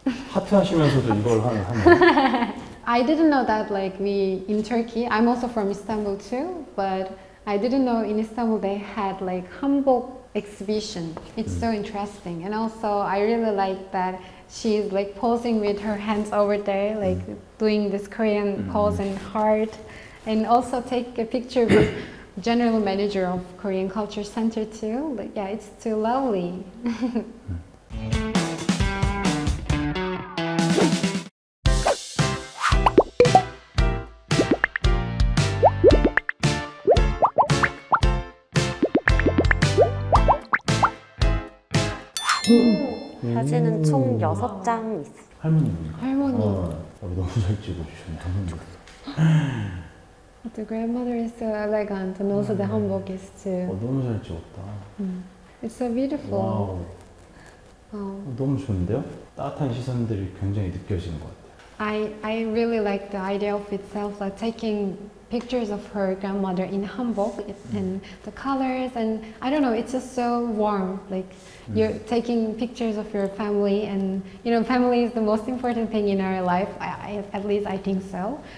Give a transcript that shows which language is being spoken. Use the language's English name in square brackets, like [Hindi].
[Korean] 하트 하시면서도 이걸 하는 [English] I didn't know that like we in Turkey. I'm also from Istanbul too, but I didn't know in Istanbul they had like hanbok exhibition. It's so interesting. And also I really like that she's like posing with her hands over there, like doing this Korean pose and heart, and also take a picture with general manager of Korean Culture Center too. But yeah, it's too lovely. [Korean] 사진은 총 6장 있어요. 할머니입니다. 할머니. 우리 너무 잘 찍어주셨네. 할머니. [English] The grandmother is so elegant and also the hanbok is too. [Korean] 너무 잘 찍었다. [English] It's so beautiful. 와우. [Korean] 너무 좋은데요? 따뜻한 시선들이 굉장히 느껴지는 것 같아요. [English] I really like the idea of itself, like taking pictures of her grandmother in hanbok and the colors, and I don't know, it's just so warm, like you're taking pictures of your family, and you know, family is the most important thing in our life, at least I think so.